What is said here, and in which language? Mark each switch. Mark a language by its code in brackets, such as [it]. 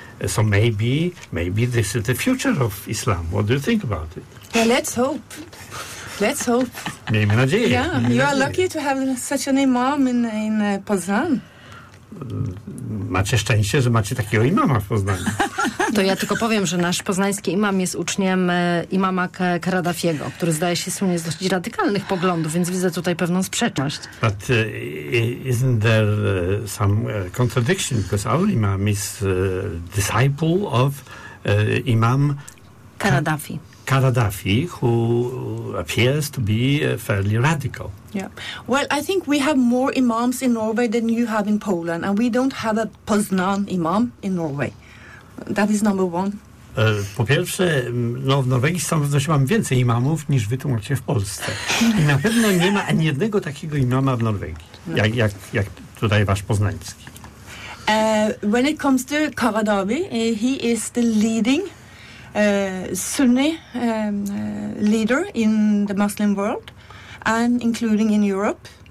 [en] So maybe this is the future of Islam. What do you think about it? Well, let's hope. [pl] Miejmy nadzieję. [en] Yeah, you are lucky to have such an imam in Poznan. [pl] Macie szczęście, że macie takiego imama w Poznaniu. To ja tylko powiem, że nasz poznański imam jest uczniem imama Karadafiego, który zdaje się słynie z dość radykalnych poglądów, więc widzę tutaj pewną sprzeczność. [en] But isn't there some contradiction? Because our imam is disciple of imam Karadafi. Karadafi, who appears to be fairly radical. Yeah. Well, I think we have more imams in Norway than you have in Poland, and we don't have a Poznan imam in Norway. That is number one. [pl] Po pierwsze, no, w Norwegii z całą pewnością mam więcej imamów niż wy tu macie w Polsce. I na pewno nie ma ani jednego takiego imama w Norwegii, jak tutaj wasz poznański. [en] When it comes to Karadavi, he is the leading Sunni leader in the Muslim world and including in Europe.